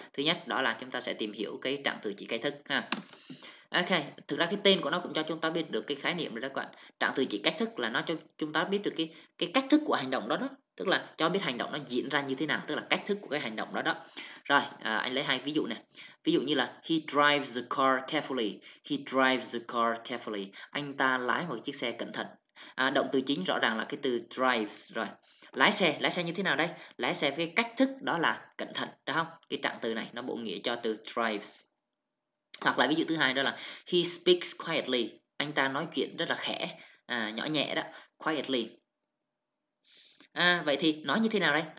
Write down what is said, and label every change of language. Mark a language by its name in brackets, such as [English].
[Vietnamese] Thứ nhất đó là chúng ta sẽ tìm hiểu cái trạng từ chỉ cách thức ha. Ok, thực ra cái tên của nó cũng cho chúng ta biết được cái khái niệm rồi đó các bạn. Trạng từ chỉ cách thức là nó cho chúng ta biết được cái cách thức của hành động đó đó, tức là cho biết hành động nó diễn ra như thế nào, tức là cách thức của cái hành động đó đó. Rồi, anh lấy hai ví dụ này. Ví dụ như là [English] he drives the car carefully. He drives the car carefully. [Vietnamese] Anh ta lái một chiếc xe cẩn thận. Động từ chính rõ ràng là cái từ drives rồi. Lái xe như thế nào đây? Lái xe với cách thức đó là cẩn thận, đúng không? Cái trạng từ này nó bổ nghĩa cho từ drives. Hoặc là ví dụ thứ hai đó là [English] he speaks quietly. [Vietnamese] Anh ta nói chuyện rất là khẽ, nhỏ nhẹ đó, quietly. Vậy thì nói như thế nào đây?